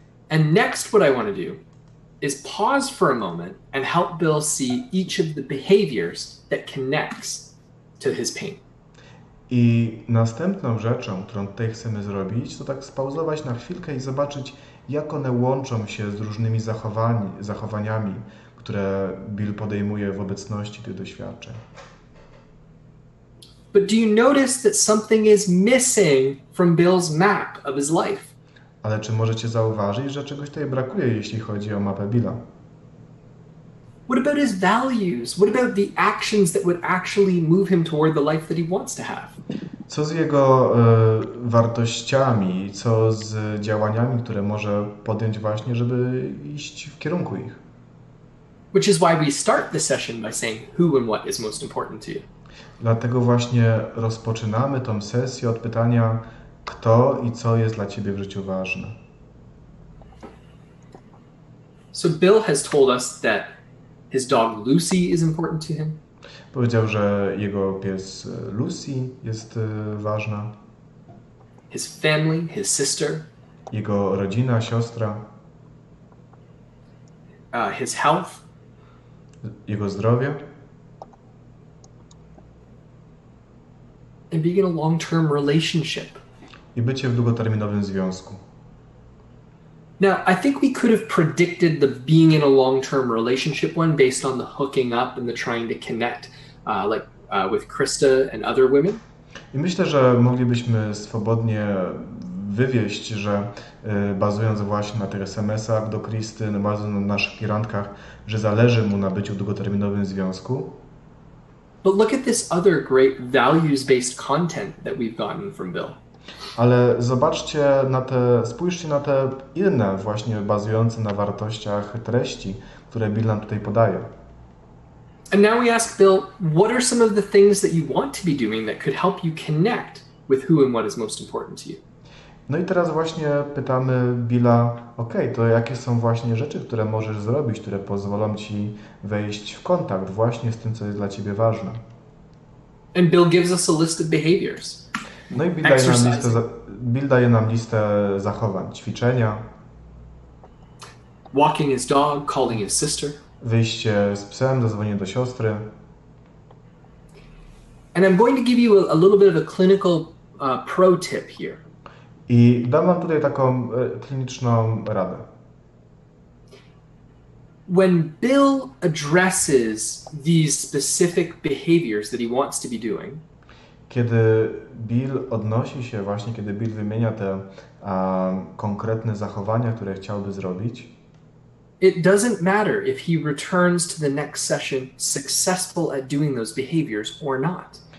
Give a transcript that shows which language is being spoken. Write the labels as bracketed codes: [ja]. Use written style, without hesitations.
[en] And next what I want to do is pause for a moment and help Bill see each of the behaviors that connects to his pain. [pl] I następną rzeczą, którą tutaj chcemy zrobić, to tak spauzować na chwilkę i zobaczyć, jak one łączą się z różnymi zachowaniami, które Bill podejmuje w obecności tych doświadczeń. [en] But do you notice that something is missing from Bill's map of his life? [pl] Ale czy możecie zauważyć, że czegoś tutaj brakuje, jeśli chodzi o mapę Billa? [en] What about his values? What about the actions that would actually move him toward the life that he wants to have? [pl] Co z jego wartościami? Co z działaniami, które może podjąć właśnie, żeby iść w kierunku ich? [en] Which is why we start the session by saying who and what is most important to you. [pl] Dlatego właśnie rozpoczynamy tą sesję od pytania, kto i co jest dla ciebie w życiu ważne. [en] So Bill has told us that his dog Lucy is important to him. [pl] Powiedział, że jego pies Lucy jest ważna. [en] His family, his sister. [pl] Jego rodzina, siostra. [en] His health. [pl] Jego zdrowie. [en] And being in a long-term relationship. [pl] I bycie w długoterminowym związku. [en] Now, I think we could have predicted the being in a long-term relationship one based on the hooking up and the trying to connect with Krista and other women. [pl] I myślę, że moglibyśmy swobodnie wywieść, że bazując właśnie na tych SMS-ach do Kristy, bazując na naszych pirantkach, że zależy mu na byciu w długoterminowym związku. [en] But look at this other great values-based content that we've gotten from Bill. [pl] Ale zobaczcie na te, spójrzcie na te inne właśnie bazujące na wartościach treści, które Bill nam tutaj podaje. [en] And now we ask Bill, what are some of the things that you want to be doing that could help you connect with who and what is most important to you? [pl] No i teraz właśnie pytamy Billa, okej, to jakie są właśnie rzeczy, które możesz zrobić, które pozwolą ci wejść w kontakt właśnie z tym, co jest dla ciebie ważne. [en] And Bill gives us a list of behaviors. [pl] No i Bill daje nam listę zachowań, ćwiczenia. [en] Walking his dog, calling his sister. [pl] Wyjście z psem, zadzwonienie do siostry. [en] And I'm going to give you a little bit of a clinical pro tip here. [pl] I dam wam tutaj taką kliniczną radę. [en] When Bill addresses these specific behaviors that he wants to be doing, [pl] kiedy Bill odnosi się właśnie, kiedy Bill wymienia te konkretne zachowania, które chciałby zrobić, [en] it doesn't matter if he returns to the next session successful at doing those behaviors or not.